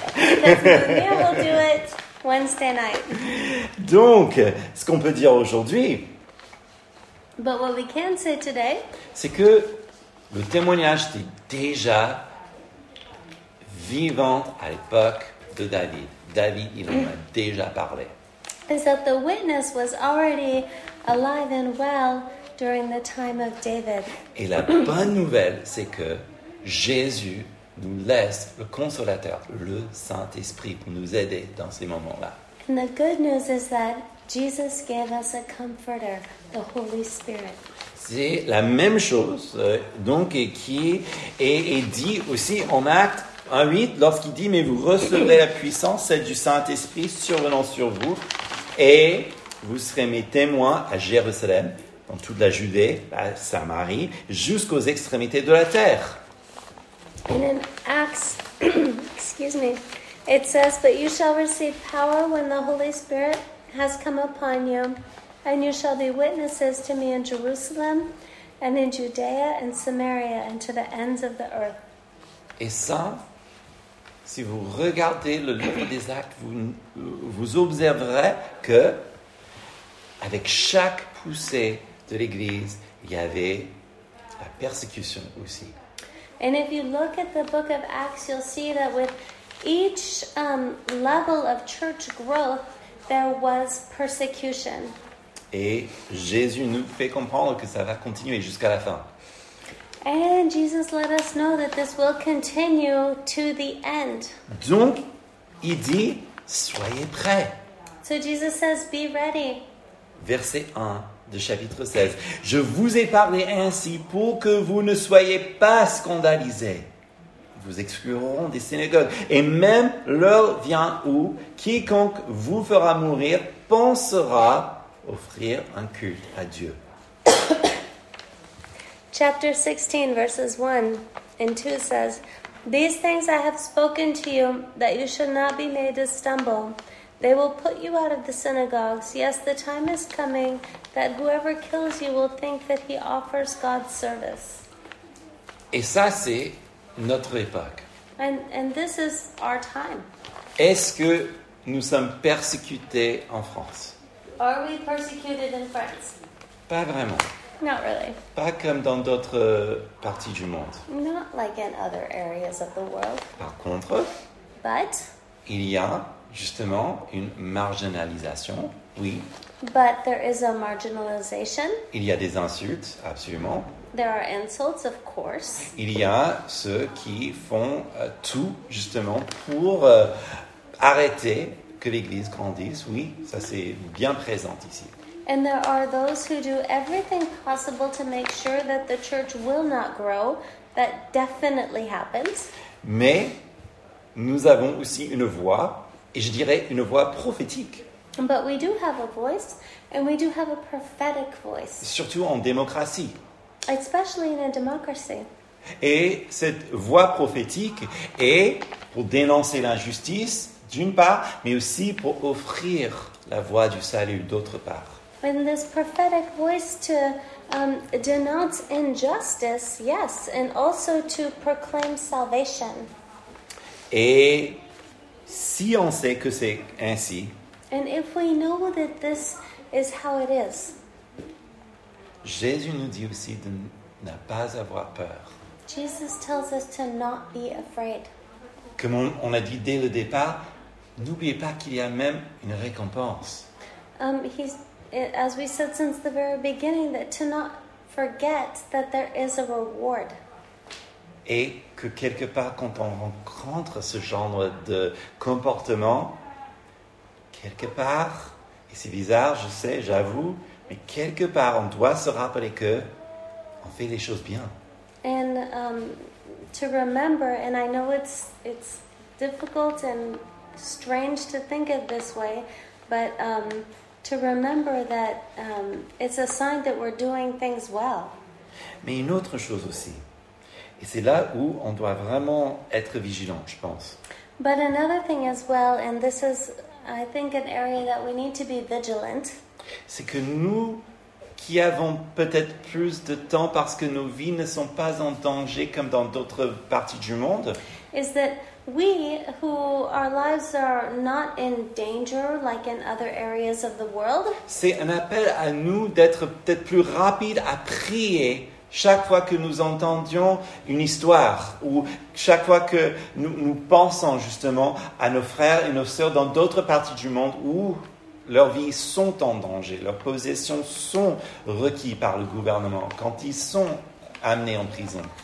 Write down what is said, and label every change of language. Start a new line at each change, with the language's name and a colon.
English: Because Mounir will do it Wednesday night.
French: Donc, ce qu'on peut dire aujourd'hui,
English: but what we can say today,
French: c'est que le témoignage était déjà vivant à l'époque de David. David, il en a déjà parlé.
English: Is that the witness was already alive and well during the time of David.
French: Et la bonne nouvelle, c'est que Jésus nous laisse le Consolateur, le Saint-Esprit, pour nous aider dans ces moments-là.
English: And the good news is that Jesus gave us a comforter, the Holy Spirit.
French: C'est la même chose, donc, et qui est dit aussi en Actes 1:8, lorsqu'il dit, mais vous recevrez la puissance, celle du Saint-Esprit, survenant sur vous, et vous serez mes témoins à Jérusalem, dans toute la Judée, à Samarie, jusqu'aux extrémités de la terre.
English: And in Acts, excuse me, it says, but you shall receive power when the Holy Spirit has come upon you, and you shall be witnesses to me in Jerusalem, and in Judea, and Samaria, and to the ends of the earth.
French: Et ça, si vous regardez le livre des Actes, vous observerez que avec chaque poussée de l'Église, il y avait la persécution aussi.
English: And if you look at the book of Acts, you'll see that with each level of church growth, there was persecution.
French: Et Jésus nous fait comprendre que ça va continuer jusqu'à la fin.
English: And Jesus let us know that this will continue to the end.
French: Donc, il dit, soyez prêts.
English: So Jesus says, be ready.
French: Verset 1 de chapitre 16. Je vous ai parlé ainsi pour que vous ne soyez pas scandalisés. Vous exclurez des synagogues. Et même l'heure vient où quiconque vous fera mourir pensera offrir un culte à Dieu.
English: Chapter 16, verses 1 and 2 says, these things I have spoken to you, that you should not be made to stumble. They will put you out of the synagogues. Yes, the time is coming that whoever kills you will think that he offers God's service.
French: Et ça, c'est notre époque.
English: And this is our time.
French: Est-ce que nous sommes persécutés en France?
English: Are we persecuted in France?
French: Pas vraiment.
English: Not really.
French: Pas comme dans d'autres parties du monde.
English: Not like in other areas of the world.
French: Par contre,
English: but,
French: il y a justement une marginalisation, oui.
English: But there is a marginalization.
French: Il y a des insultes, absolument.
English: There are insults, of course.
French: Il y a ceux qui font tout justement pour arrêter que l'Église grandisse, oui, ça c'est bien présent ici.
English: And there are those who do everything possible to make sure that the church will not grow. That definitely happens.
French: Mais nous avons aussi une voix, et je dirais une voix prophétique.
English: But we do have a voice, and we do have a prophetic voice.
French: Surtout en démocratie.
English: Especially in a democracy.
French: Et cette voix prophétique est pour dénoncer l'injustice, d'une part, mais aussi pour offrir la voie du salut, d'autre part.
English: And this prophetic voice to denounce injustice, yes, and also to proclaim salvation.
French: Et si on sait que c'est ainsi,
English: and if we know that this is how it is,
French: Jésus nous dit aussi de ne pas avoir peur.
English: Jesus tells us to not be afraid.
French: Comme on a dit dès le départ, n'oubliez pas qu'il y a même une récompense.
English: As we said since the very beginning, that to not forget that there is a reward.
French: Et que quelque part, quand on rencontre ce genre de comportement, quelque part, et c'est bizarre, je sais, j'avoue, mais quelque part, on doit se rappeler que on fait les choses bien.
English: And to remember, and I know it's difficult and strange to think of this way, but to remember that it's a sign that we're doing things well.
French: Mais une autre chose aussi, et c'est là où on doit vraiment être vigilant, je pense.
English: But another thing as well, and this is, I think, an area that we need to be vigilant.
French: C'est que nous qui avons peut-être plus de temps parce que nos vies ne sont pas en danger comme dans d'autres parties du monde.
English: Is that we who our lives are not in danger like in other areas of the world?
French: C'est un appel à nous d'être peut-être plus rapide à prier chaque fois que nous entendions une histoire ou chaque fois que nous pensons justement à nos frères et nos sœurs dans d'autres parties du monde où leurs vies sont en danger, leurs possessions sont requises par le gouvernement quand ils sont amenés en prison.